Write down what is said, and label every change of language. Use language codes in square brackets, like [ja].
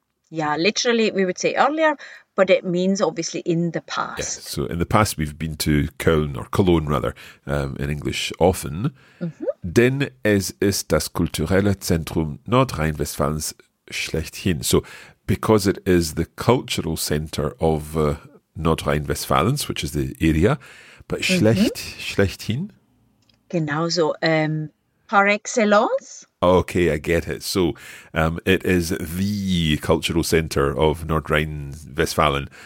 [en] Yeah, literally we would say earlier, but it means obviously in the past. Yeah, so in the past we've been to Köln, or Cologne rather, in English often. [de] Denn es ist das kulturelle Zentrum Nordrhein-Westfalens schlechthin. [en] So because it is the cultural center of Nordrhein-Westfalens, which is the area, but schlechthin? [de] Genau so. Par excellence? [en] Okay, I get it. So it is the cultural center of Nordrhein-Westfalen.